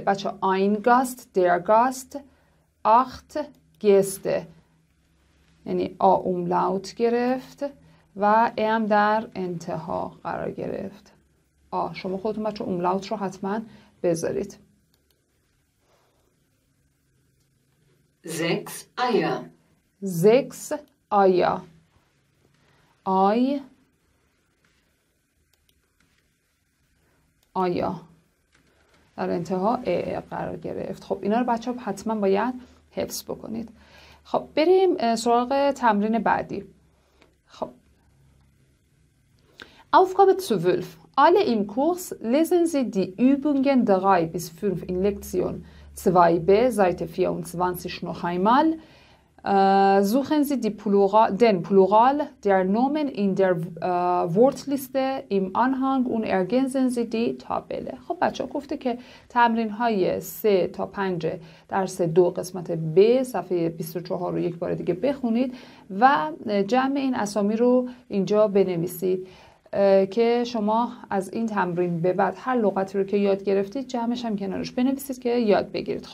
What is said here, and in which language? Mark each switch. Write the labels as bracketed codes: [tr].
[de] بچه ein Gast, der Gast. Acht Gäste. [fa] یعنی آوملاوت گرفت و ام در انتها قرار گرفت. آ شما خودتون بچه املاوت رو حتما بذارید. [de] Sechs Eier. Sechs Eier. Ei. [fa] Eier. در انتها ا قرار گرفت. خب اینا رو بچه ها حتما باید حفظ بکنید. خب بریم سراغ تمرین بعدی. [de] خب Aufgabe zu 12. Alle im Kurs lesen Sie die Übungen 3 bis 5 in Lektion 2b, Seite 24 noch einmal. Suchen Sie die Plural, den Plural der Nomen in der Wortliste im Anhang und ergänzen Sie die Tabelle. [fa] خب بچه ها گفته که تمرین های 3 تا 5 درس 2 قسمت B صفحه 24 رو یک بار دیگه بخونید و جمع این اسامی رو اینجا بنویسید که شما از این تمرین به بعد هر لغتی رو که یاد گرفتید جمعش هم کنارش بنویسید که یاد بگیرید.